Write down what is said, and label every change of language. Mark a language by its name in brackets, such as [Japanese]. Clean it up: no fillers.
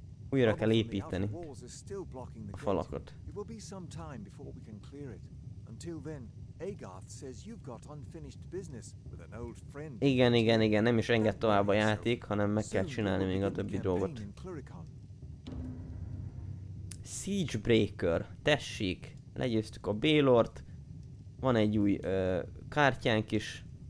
[Hungarian] Újra kell építeni a falakat. [English] It will be some time before we can clear it. Until then, Agarth says you've got unfinished business with an old friend. [Hungarian] Igen, igen, igen, nem is enged tovább a játék, hanem meg kell csinálni még a többi dolgot. Siege Breaker. Tessék, legyőztük a Bélort. Van egy új kártyánk is.